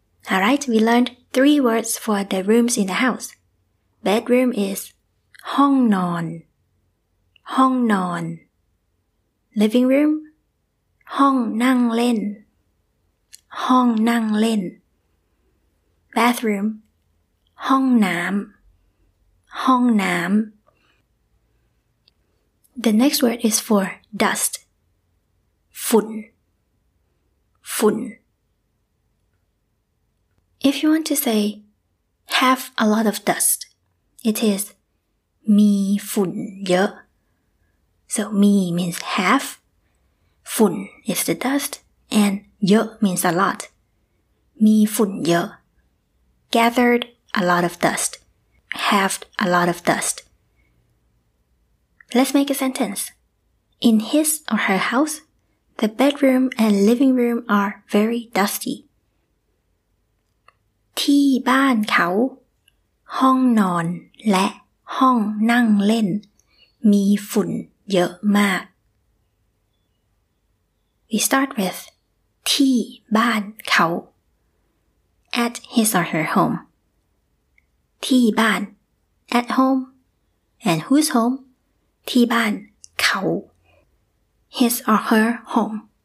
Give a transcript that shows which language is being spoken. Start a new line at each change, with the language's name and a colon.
English: Alright, we learned three words for the rooms in the house. Bedroom is ห้องนอนห้องนอน Living room ห้องนั่งเล่นห้องนั่งเล่น Bathroom ห้องน้ำห้องน้ำ The next word is for dust. ฝุ่นฝุ่นIf you want to say have a lot of dust, it is
Thai: มีฝุ่นเยอะ
English: So มี means have, ฝุ่น is the dust, and เยอะ means a lot.
Thai: มีฝุ่นเยอะ
English: Gathered a lot of dust, have a lot of dust. Let's make a sentence. In his or her house, the bedroom and living room are very dusty.
Thai: ที่บ้านเขาห้องนอนและห้องนั่งเล่นมีฝุ่นเยอะมาก
English: We start with ที่บ้านเขา at his or her home ที่บ้าน at home and whose home ที่บ้านเขา his or her home